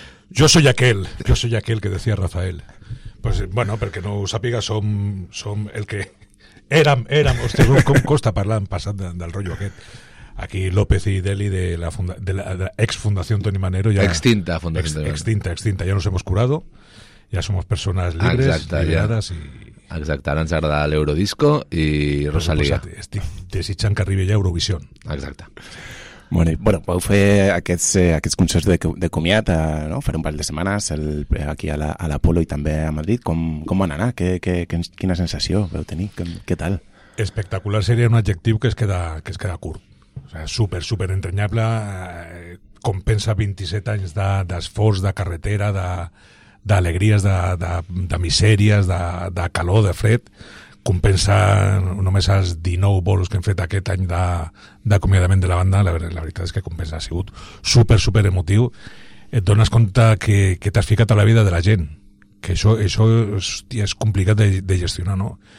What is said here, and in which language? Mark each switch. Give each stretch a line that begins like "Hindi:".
Spanish: Jo soy aquel que decía Rafael.
Catalan: Pues bueno, perquè no ho sàpiga, som el que... Érem, hosti, com costa parlar en passat del rotllo aquest.
Spanish: Aquí López y Deli de la ex-Fundación Toni Manero. Ya, extinta Fundación Toni Manero. Extinta, ya nos hemos curado.
Catalan: Ja som persones lliures, liberades i... Exacte, ara ens agrada l'Eurodisco i Rosalía. Estic desitjant que arribi ja Eurovision. Exacte. Bueno, vau fer aquests concerts de comiat, no? Faré un parell de setmanes aquí a l'Apolo i també a Madrid. Com van anar? Quina sensació vau tenir? Què tal? Espectacular seria un adjectiu que es queda curt. O sigui, super, super entranyable. Compensa 27 anys d'esforç, de carretera, de... d'alegries, de misèries, de calor, de fred, compensa només els 19 bolos que hem fet aquest any d'acomiadament de la banda. La veritat és que compensa, ha sigut super, super emotiu. Et dones compte que t'has ficat a la vida de la gent, que això hòstia, és complicat de gestionar, no?